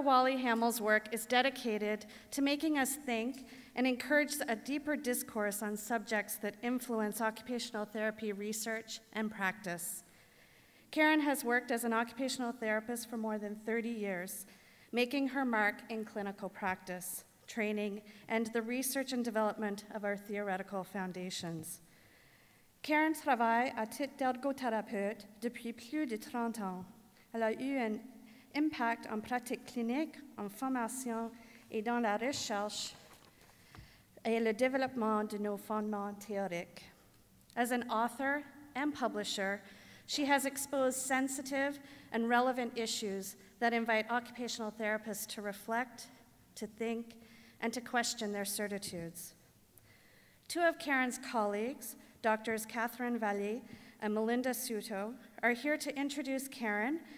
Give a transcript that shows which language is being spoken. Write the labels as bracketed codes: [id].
[en] Whalley Hammell's work is dedicated to making us think and encourage a deeper discourse on subjects that influence occupational therapy research and practice. Karen has worked as an occupational therapist for more than 30 years, making her mark in clinical practice, training, and the research and development of our theoretical foundations. [fr] Karen travaille à titre d'ergothérapeute depuis plus de 30 ans. Elle a eu un impact en pratique clinique, en formation et dans la recherche et le développement de nos fondements théoriques. [en] As an author and publisher, she has exposed sensitive and relevant issues that invite occupational therapists to reflect, to think, and to question their certitudes. Two of Karen's colleagues, Drs. Catherine Vallée and Melinda Souto, are here to introduce Karen